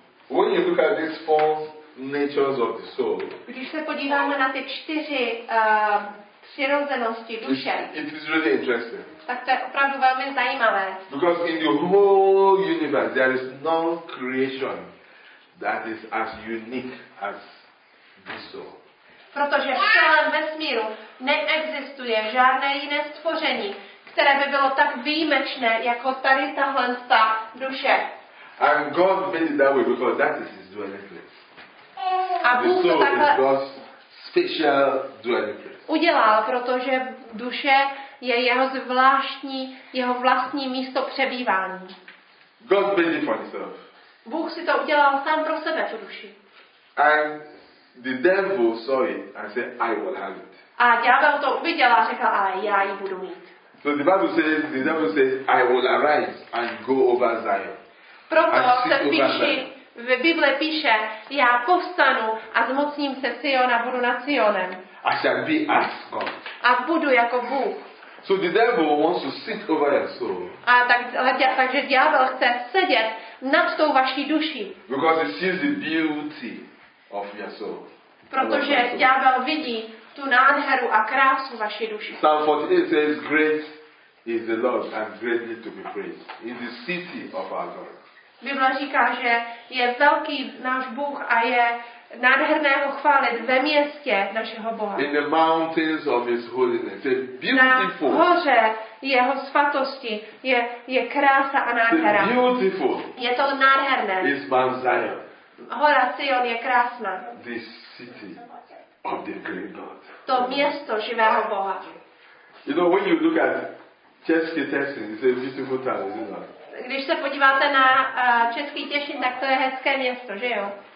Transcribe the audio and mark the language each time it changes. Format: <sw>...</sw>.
<en>When you look at these four natures of the soul.</en> <cs>Když se podíváme na ty čtyři přirozenosti duše.</cs> <en>It is really interesting.</en> <cs>Tak to je opravdu velmi zajímavé.</cs> <en>Because in the whole universe there is no creation that is as unique as this soul.</en> <cs>Protože v celém vesmíru neexistuje žádné jiné stvoření, které by bylo tak výjimečné jako tady tahle ta duše.</cs> <en>And God made it that way because that is His dwelling place.</en> <cs>A Bůh</cs> <en>the soul</en> <cs>to takhle</cs> <en>is God's special dwelling place.</en> <cs>Udělal, protože duše je jeho zvláštní, jeho vlastní místo přebývání.</cs> <en>God made it for himself.</en> <cs>Bůh si to udělal sám pro sebe, tu duši.</cs> <en>And the devil saw it and said, I will have it.</en> <cs>A ďábel to uviděl a řekl, a já ji budu mít.</cs> <en>So the Bible says, the devil says, I will arise and go over Zion.</en> <cs>Proto se píše, v Bible píše, já povstanu a zmocním se Siona, budu nad Sionem.</cs> <en>I shall be as God.</en> <cs>A budu jako Bůh.</cs> <en>So the devil wants to sit over your soul.</en> <cs>A takže ďábel chce sedět nad tou vaší duší.</cs> <en>Because he sees the beauty of your soul.</en> <cs>Protože ďábel vidí tu nádheru a krásu vaší duši.</cs> <en>Psalm 48 says, great is the Lord and greatly to be praised. In the city of our God.</en> <cs>Bible říká, že je velký náš Bůh a je nádherného chválit ve městě našeho Boha.</cs> <en>In the mountains of His holiness, a beautiful.</en> <cs>Na hoře jeho svatosti je krása a nádhera.</cs> <en>It's beautiful.</en> <cs>Je to nádherné.</cs> <en>It's Mount Zion.</en> <cs>Hora Sion je krásná.</cs> <en>The city of the great God.</en> <cs>To město živého Boha.</cs> <en>You know, when you look at Český Těšín, it's a beautiful town, isn't it?</en> <cs>Když se podíváte na Český Těšín, tak to je hezké město, že jo?</cs>